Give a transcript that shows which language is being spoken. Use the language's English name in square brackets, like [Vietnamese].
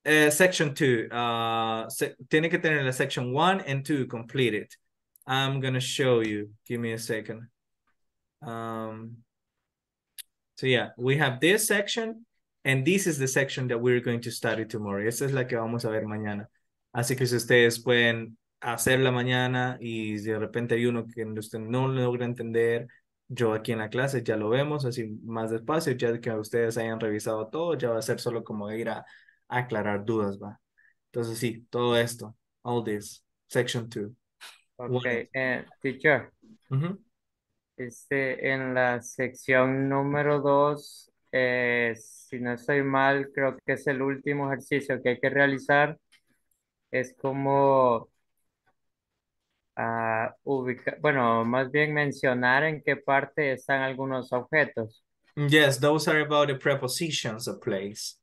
[English] Section 2. [Spanish] Tiene que tener la [English] section 1 and 2 completed. I'm going to show you. Give me a second. So yeah, we have this section and this is the section that we're going to study tomorrow. [Spanish] Esta es la que vamos a ver mañana. Así que si ustedes pueden hacer la mañana y de repente hay uno que usted no logra entender, yo aquí en la clase ya lo vemos así más despacio, ya que ustedes hayan revisado todo, ya va a ser solo como ir a aclarar dudas, va. Entonces sí, todo esto, [English] all this, [Spanish] section 2. [English] Okay, teacher. Uh-huh. [Spanish] En la sección número 2, si no estoy mal, creo que es el último ejercicio que hay que realizar. Es como más bien mencionar en qué parte están algunos objetos. [English] Yes, those are about the prepositions of place.